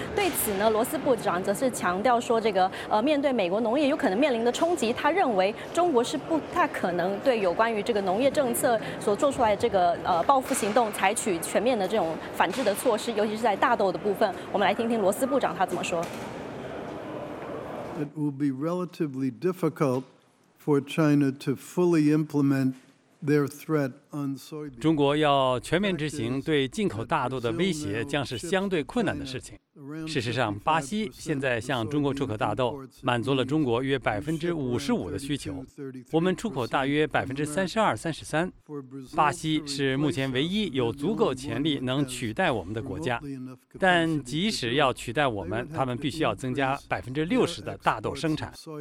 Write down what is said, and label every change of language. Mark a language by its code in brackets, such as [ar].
[zh] 对此呢，罗斯部长则是强调说，这个面对美国农业有可能面临的冲击，他认为中国是不太可能对有关于这个农业政策所做出来的这个报复行动采取全面的这种反制的措施，尤其是在大豆的部分。我们来听听罗斯部长他怎么说。 [en] It will be relatively difficult for China to fully implement their threat on soybeans. [zh] 中国要全面执行对进口大豆的威胁将是相对困难的事情。事实上，巴西现在向中国出口大豆，满足了中国约55%的需求。我们出口大约32%-33%。巴西是目前唯一有足够潜力能取代我们的国家，但即使要取代我们，他们必须要增加60%的大豆生产。